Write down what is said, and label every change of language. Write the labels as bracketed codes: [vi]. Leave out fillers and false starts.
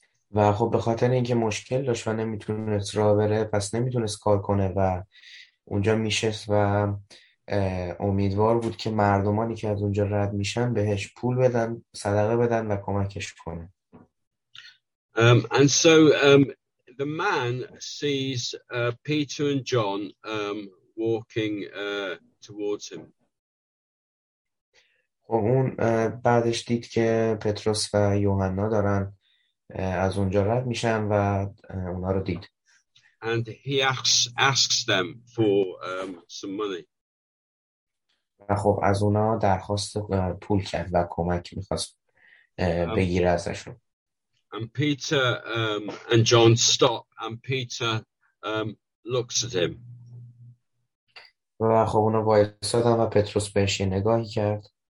[fa] و خب به خاطر اینکه مشکل داشت و نمیتونست راه بره پس نمیتونست کار کنه و اونجا میشست و امیدوار بود که مردمانی که از اونجا رد میشن بهش پول بدن، صدقه بدن و کمکش کنه. [en] And so the man sees Peter and John walking towards him. [fa] خب اون بعدش دید که پتروس و یوحنا دارن از اونجا رد میشن و اونا رو دید. [en] And he asks them for some money. [fa] خب از اونا درخواست پول کرد و کمک میخواست بگیره ازشون. [en] And Peter and John stop and Peter looks at him. [fa] و خب اونا وایستادن و پتروس بهش نگاهی کرد.